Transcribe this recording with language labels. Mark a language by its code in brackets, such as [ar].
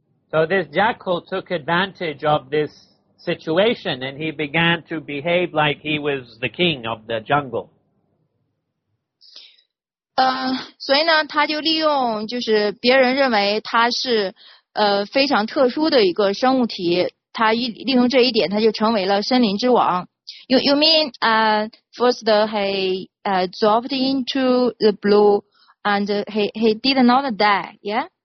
[en] So this jackal took advantage of this situation and he began to behave like he was the king of the jungle. [zh] 所以呢他就利用就是别人认为他是非常特殊的一个生物体，他利用这一点他就成为了森林之王。 [en] You mean, first he dropped into the blue and he did not die, yeah?